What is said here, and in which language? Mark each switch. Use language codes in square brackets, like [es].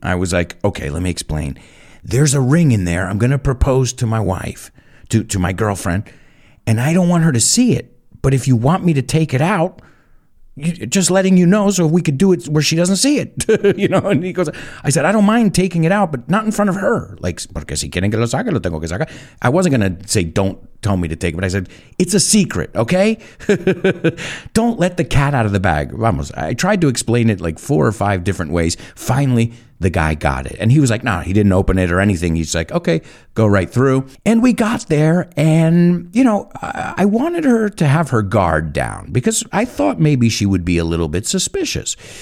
[en] I was like, okay, let me explain. There's a ring in there. I'm going to propose to my wife, to my girlfriend, and I don't want her to see it. But if you want me to take it out, just letting you know so we could do it where she doesn't see it. You know, and he goes, I said, I don't mind taking it out, but not in front of her. [es] Like, porque si quieren que lo saque, lo tengo que sacar. [en] I wasn't going to say, don't tell me to take it, but I said, it's a secret, okay? Don't let the cat out of the bag. [es] Vamos. [en] I tried to explain it like 4 or 5 different ways. Finally, the guy got it. And he was like, no, he didn't open it or anything. He's like, okay, go right through. And we got there and, you know, I wanted her to have her guard down because I thought maybe she would be a little bit suspicious.